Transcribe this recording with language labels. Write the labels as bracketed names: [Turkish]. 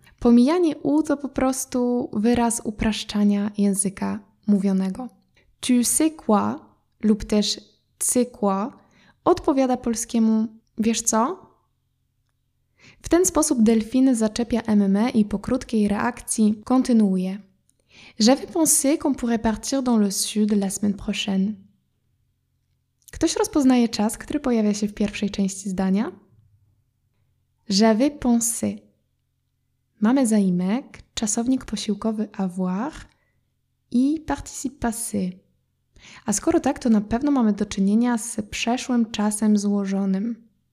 [Polish] Pomijanie u to po prostu wyraz upraszczania języka mówionego. [French] Tu sais quoi, [Polish] lub też [French] c'est quoi, [Polish] odpowiada polskiemu, wiesz co? W ten sposób Delfin zaczepia MME i po krótkiej reakcji kontynuuje. [French] J'avais pensé qu'on pourrait partir dans le sud la semaine prochaine. [Polish] Ktoś rozpoznaje czas, który pojawia się w pierwszej części zdania? [French] J'avais pensé. [Polish] Mamy zaimek, czasownik posiłkowy avoir i participe passé. A skoro tak, to na pewno mamy do czynienia z przeszłym czasem złożonym.